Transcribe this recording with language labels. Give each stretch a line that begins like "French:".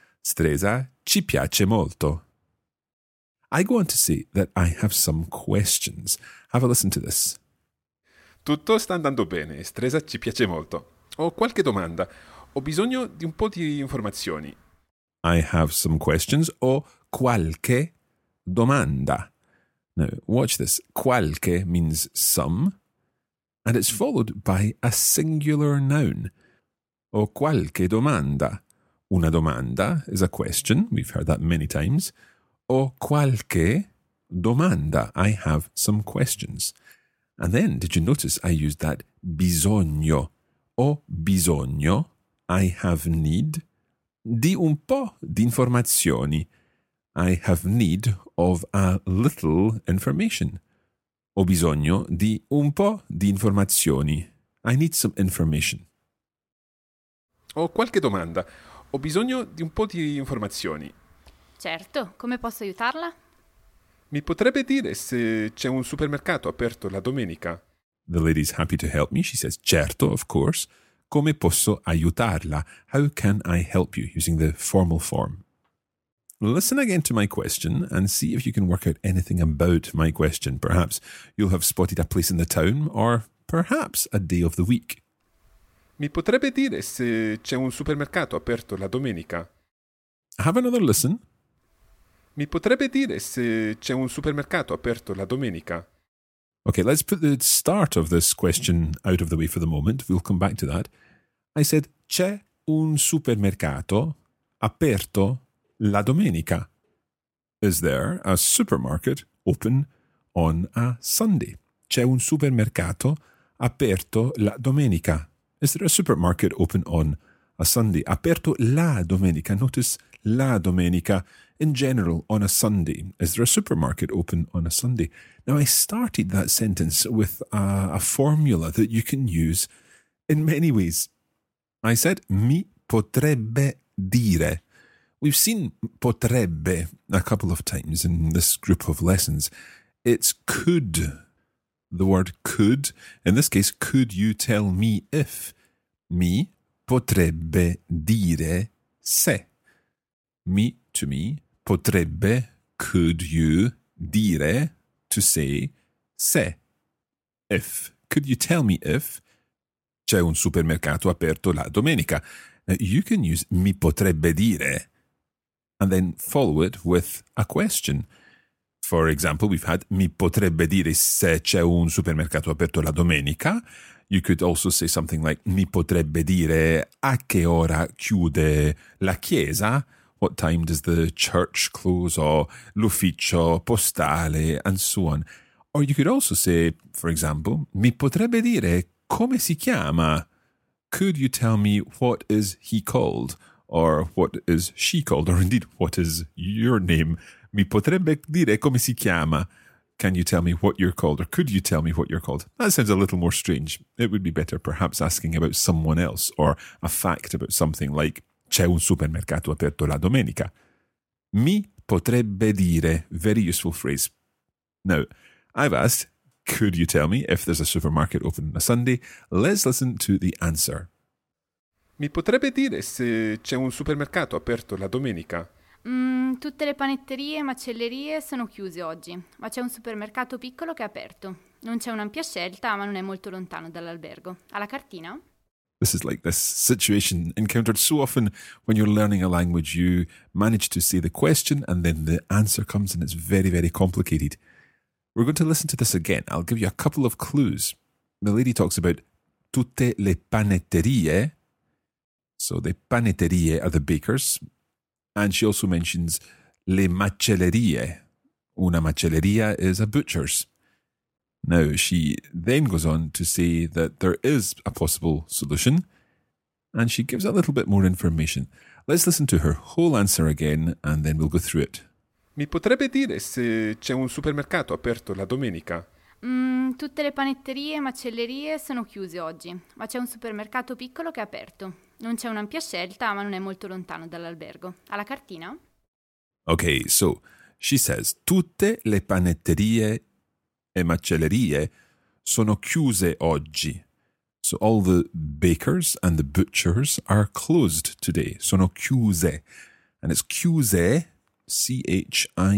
Italian: Stresa ci piace molto.
English: I go on to say that I have some questions. Have a listen to this.
Italian: Tutto sta andando bene, Stresa ci piace molto. Ho qualche domanda. Ho bisogno di un po' di informazioni.
English: I have some questions.
Italian: Ho qualche domanda.
English: Now, watch this. Qualche means some, and it's followed by a singular noun.
Italian: Ho qualche domanda. Una domanda
English: is a question. We've heard that many times. Ho qualche domanda. I have some questions. And then, did you notice I used that bisogno?
Italian: Ho bisogno.
English: I have need.
Italian: Di un po' di informazioni.
English: I have need of a little information.
Italian: Ho bisogno di un po' di informazioni.
English: I need some information.
Italian: Ho qualche domanda. Ho bisogno di un po' di informazioni. Certo, come posso aiutarla? Mi potrebbe dire se c'è un supermercato aperto la domenica?
English: The lady's happy to help me. She says, certo, of course.
Italian: Come posso aiutarla?
English: How can I help you? Using the formal form. Listen again to my question and see if you can work out anything about my question. Perhaps you'll have spotted a place in the town or perhaps a day of the week.
Italian: Mi potrebbe dire se c'è un supermercato aperto la domenica?
English: Have another listen.
Italian: Mi potrebbe dire se c'è un supermercato aperto la domenica?
English: Okay, let's put the start of this question out of the way for the moment. We'll come back to that. I said,
Italian: c'è un supermercato aperto la domenica.
English: Is there a supermarket open on a Sunday?
Italian: C'è un supermercato aperto la domenica.
English: Is there a supermarket open on a Sunday?
Italian: Aperto la domenica.
English: Notice
Italian: la domenica.
English: In general, on a Sunday. Is there a supermarket open on a Sunday? Now, I started that sentence with a formula that you can use in many ways. I said,
Italian: mi potrebbe dire.
English: We've seen potrebbe a couple of times in this group of lessons. It's could. The word could, in this case, could you tell me if?
Italian: Mi potrebbe dire se.
English: Me to me. Potrebbe, could you, dire, to say, se. If. Could you tell me if
Italian: c'è un supermercato aperto la domenica?
English: Now, you can use
Italian: mi potrebbe dire
English: and then follow it with a question. For example, we've had
Italian: mi potrebbe dire se c'è un supermercato aperto la domenica.
English: You could also say something like
Italian: mi potrebbe dire a che ora chiude la chiesa.
English: What time does the church close, or
Italian: l'ufficio postale,
English: and so on. Or you could also say, for example,
Italian: mi potrebbe dire come si chiama
English: Could you tell me what is he called? Or what is she called? Or indeed, what is your name?
Italian: Mi potrebbe dire come si chiama?
English: Can you tell me what you're called? Or could you tell me what you're called? That sounds a little more strange. It would be better perhaps asking about someone else or a fact about something like
Italian: c'è un supermercato aperto la domenica. Mi potrebbe dire.
English: Very useful phrase. Now, I've asked, could you tell me if there's a supermarket open on a Sunday? Let's listen to the answer.
Italian: Mi potrebbe dire se c'è un supermercato aperto la domenica? Tutte le panetterie e macellerie sono chiuse oggi, ma c'è un supermercato piccolo che è aperto. Non c'è un'ampia scelta, ma non è molto lontano dall'albergo. Alla cartina?
English: This is like this situation encountered so often when you're learning a language. You manage to say the question and then the answer comes and it's very, very complicated. We're going to listen to this again. I'll give you a couple of clues. The lady talks about
Italian: tutte le panetterie.
English: So the panetterie are the bakers. And she also mentions
Italian: le macellerie. Una macelleria
English: is a butcher's. Now, she then goes on to say that there is a possible solution. And she gives a little bit more information. Let's listen to her whole answer again and then we'll go through it.
Italian: Mi potrebbe dire se c'è un supermercato aperto la domenica? Tutte le panetterie e macellerie sono chiuse oggi, ma c'è un supermercato piccolo che è aperto. Non c'è un'ampia scelta, ma non è molto lontano dall'albergo. Alla cartina?
English: Okay, so she says
Italian: tutte le panetterie e macellerie sono chiuse oggi.
English: So all the bakers and the butchers are closed today.
Italian: Sono chiuse.
English: And it's chiuse, C-H-I-U-S-E.